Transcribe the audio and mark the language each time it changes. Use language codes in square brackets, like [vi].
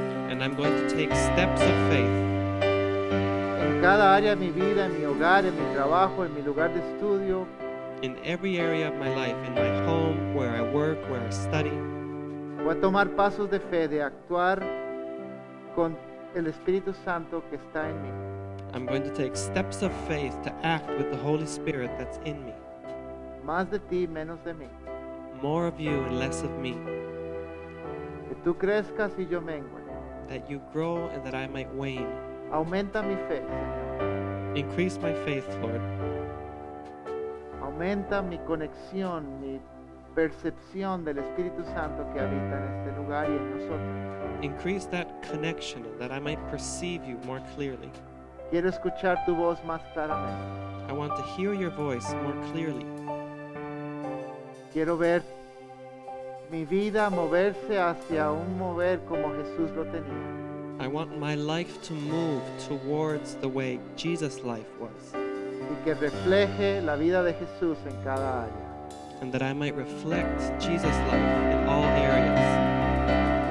[en] And I'm going to take steps of faith. [es] En cada área de mi vida, en mi hogar, en mi trabajo, en mi lugar de estudio. [en] In every area of my life, in my home, where I work, where I study. [es] Voy a tomar pasos de fe, de actuar con el Espíritu Santo que está en mí. [en] I'm going to take steps of faith to act with the Holy Spirit that's in me. [es] Más de ti, menos de mí. [en] More of you and less of me. [es] Que tú crezcas y yo mengue. [en] That you grow and that I might wane. [es] Aumenta mi fe. [en] Increase my faith, Lord. [es] aumenta mi conexión, mi percepción del Espíritu Santo que habita en este lugar y en nosotros. [en] Increase that connection that I might perceive you more clearly. [es] Quiero escuchar tu voz más claramente. [en] I want to hear your voice more clearly. [es] Quiero ver mi vida moverse hacia un mover como Jesús lo tenía. [en] I want my life to move towards the way Jesus' life was. [es] Y que refleje la vida de Jesús en cada área. [en] And that I might reflect Jesus' life in all areas.